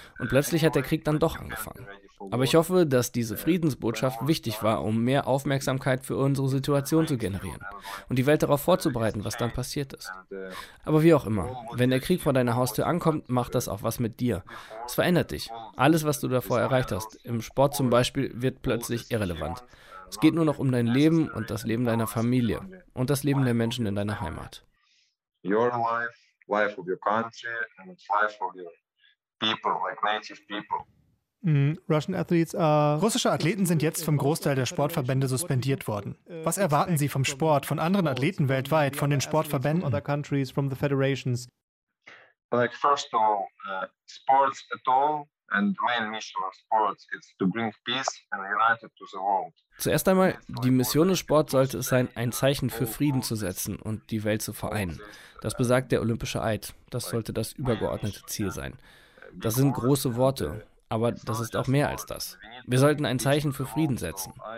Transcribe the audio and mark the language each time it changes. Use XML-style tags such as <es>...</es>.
<de>Und plötzlich hat der Krieg dann doch angefangen. Aber ich hoffe, dass diese Friedensbotschaft wichtig war, um mehr Aufmerksamkeit für unsere Situation zu generieren und die Welt darauf vorzubereiten, was dann passiert ist. Aber wie auch immer, wenn der Krieg vor deiner Haustür ankommt, macht das auch was mit dir. Es verändert dich. Alles, was du davor erreicht hast, im Sport zum Beispiel, wird plötzlich irrelevant. Es geht nur noch um dein Leben und das Leben deiner Familie und das Leben der Menschen in deiner Heimat.</de> <en>Your life, life of your country and life of your people, like native people.</en> <de>Russische Athleten sind jetzt vom Großteil der Sportverbände suspendiert worden. Was erwarten Sie vom Sport, von anderen Athleten weltweit, von den Sportverbänden?</de> <en>Other countries, from the federations. Like first of all, sports at all and main mission of sports is to bring peace and unite to the world.</en> <de>Zuerst einmal, die Mission des Sports sollte es sein, ein Zeichen für Frieden zu setzen und die Welt zu vereinen. Das besagt der Olympische Eid. Das sollte das übergeordnete Ziel sein. Das sind große Worte. Aber das ist auch mehr als das. Wir sollten ein Zeichen für Frieden setzen.</de>